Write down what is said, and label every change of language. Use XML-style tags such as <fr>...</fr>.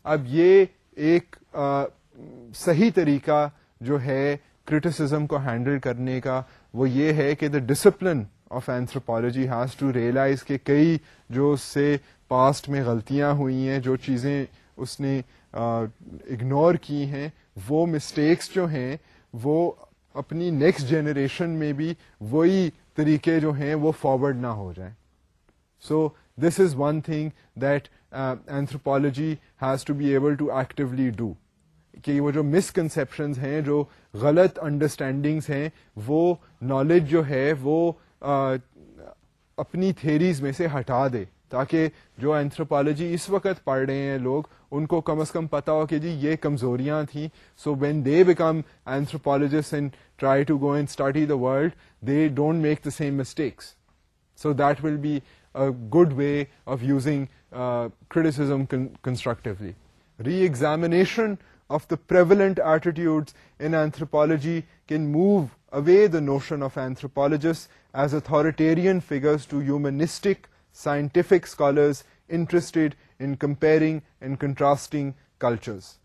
<ur>اب یہ ایک صحیح طریقہ جو ہے criticism کو handle کرنے کا وہ یہ ہے کہ</ur> <en>the discipline of anthropology has to realize</en> <ur>کہ کئی جو اس سے past میں غلطیاں ہوئی ہیں, جو چیزیں اس نے ignore کی ہیں, وہ mistakes جو ہیں وہ اپنی next generation میں بھی وہی طریقے جو ہیں وہ forward نہ ہو جائیں.</ur> <en>So this is one thing that anthropology has to be able to actively do.</en> <ur>کہ وہ جو misconceptions ہیں, جو غلط understandings ہیں, وہ knowledge جو ہے وہ اپنی theories میں سے ہٹا دے, تاکہ جو anthropology اس وقت پڑھ رہے ہیں لوگ ان کو کم از کم پتا ہو کہ جی یہ کمزوریاں تھیں.</ur> <en>So when they become anthropologists and try to go and study the world, they don't make the same mistakes. So that will be a good way of using criticism constructively. Re-examination of the prevalent attitudes in anthropology can move away the notion of anthropologists as authoritarian figures to humanistic scientific scholars interested in comparing and contrasting cultures.</en>